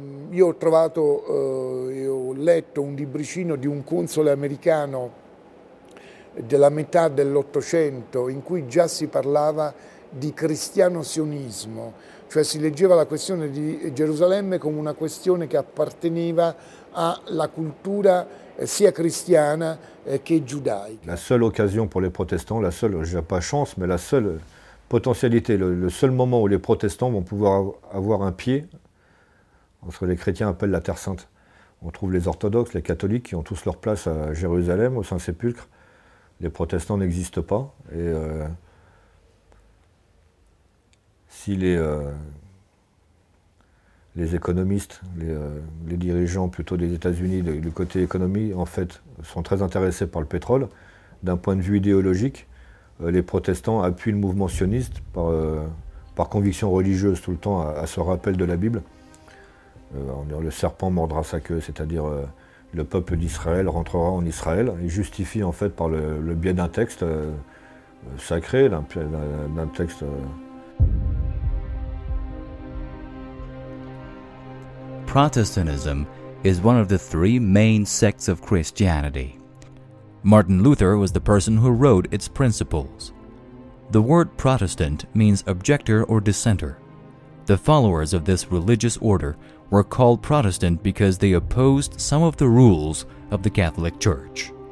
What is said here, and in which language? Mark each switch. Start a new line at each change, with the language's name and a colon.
Italian: Io ho trovato, ho letto un libricino di un console americano della metà dell'Ottocento in cui già si parlava di cristiano sionismo, cioè si leggeva la questione di Gerusalemme come una questione che apparteneva alla cultura sia cristiana che giudaica.
French: La seule occasion pour les protestants, la seule, j'ai pas chance, mais la seule potentialité, le seul moment où les protestants vont pouvoir avoir un pied. Ce que les chrétiens appellent la Terre Sainte. On trouve les orthodoxes, les catholiques qui ont tous leur place à Jérusalem, au Saint-Sépulcre. Les protestants n'existent pas. Et si les économistes, les dirigeants plutôt des États-Unis, du côté économie, en fait, sont très intéressés par le pétrole, d'un point de vue idéologique, les protestants appuient le mouvement sioniste par conviction religieuse tout le temps à ce rappel de la Bible. Le serpent mordra sa queue, c'est-à-dire le peuple d'Israël rentrera en Israël. Il justifie en fait par le biais d'un texte sacré, d'un texte.
English: Protestantism is one of the three main sects of Christianity. Martin Luther was the person who wrote its principles. The word Protestant means objector or dissenter. The followers of this religious order were called Protestant because they opposed some of the rules of the Catholic Church.